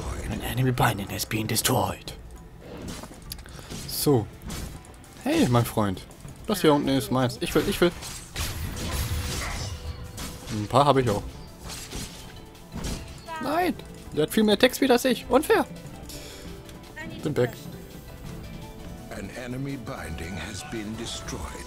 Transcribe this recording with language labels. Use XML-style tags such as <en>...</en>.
<en>An enemy binding has been destroyed.</en> <de>So. Hey, mein Freund. Das hier unten ist meins. Ich will. Ein paar habe ich auch. Nein! Der hat viel mehr Text wie das ich. Unfair! Bin weg.</de> <en>An enemy binding has been destroyed.</en>